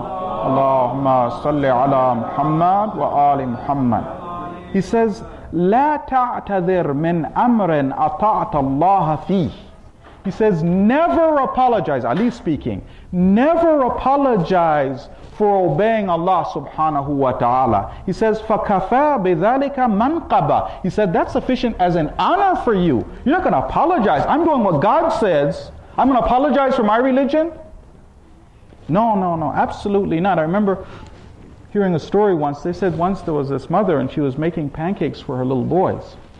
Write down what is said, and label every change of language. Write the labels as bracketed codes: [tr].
[ar] Allahumma salli ala Muhammad wa ali Muhammad. [en] He says, [ar] La ta'tadhir min amrin ata'ta Allah fih. [en] He says, never apologize, Ali speaking, never apologize for obeying Allah subhanahu wa ta'ala. He says, [ar] فَكَفَى بِذَلِكَ مَنْقَبَى. [en] He said, that's sufficient as an honor for you. You're not going to apologize. I'm doing what God says. I'm going to apologize for my religion? No, absolutely not. I remember hearing a story once. They said once there was this mother and she was making pancakes for her little boys.